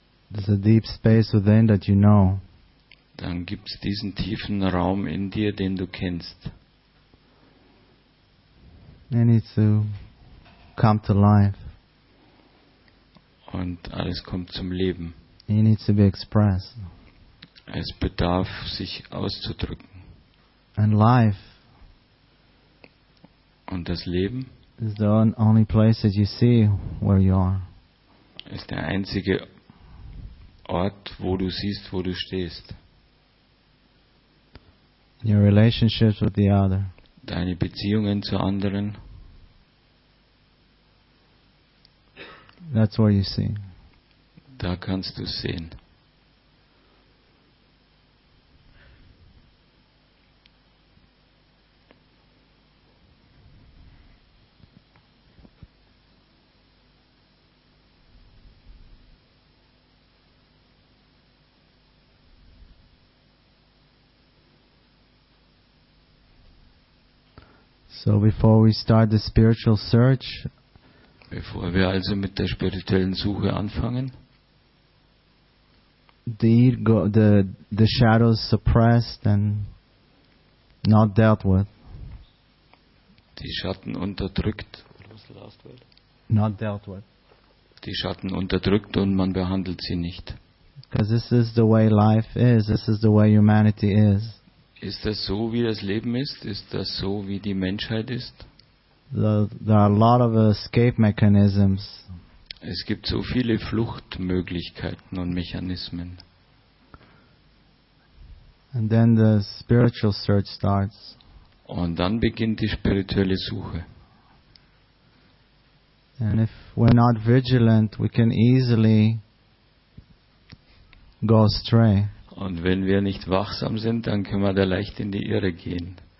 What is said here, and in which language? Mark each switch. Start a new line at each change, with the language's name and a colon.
English: There's a deep space within that you know.
German: Dann gibt's diesen tiefen Raum in dir, den du kennst.
English: And it's to come to life.
German: Und alles kommt zum Leben.
English: It needs to be expressed.
German: Es bedarf, sich auszudrücken.
English: And life.
German: Und das Leben.
English: Is the only place that you see where you are.
German: Ist der einzige Ort, wo du siehst, wo du stehst.
English: Your relationships with the other.
German: Deine Beziehungen zu anderen.
English: That's where you see.
German: Da kannst du sehen.
English: So before we start the spiritual search,
German: bevor wir also mit der spirituellen Suche anfangen,
English: the shadow is suppressed and not dealt with.
German: Die Schatten unterdrückt.
English: Not dealt with.
German: Die Schatten unterdrückt und man behandelt sie nicht.
English: Because this is the way life is. This is the way humanity is.
German: Ist das so, wie das Leben ist? Ist das so, wie die Menschheit ist?
English: There are a lot of escape mechanisms.
German: Es gibt so viele Fluchtmöglichkeiten und Mechanismen.
English: And then the spiritual search starts.
German: Und dann beginnt die spirituelle Suche.
English: And if we're not vigilant, we can easily go astray.
German: Und wenn wir nicht wachsam sind, dann können wir da leicht in die Irre gehen.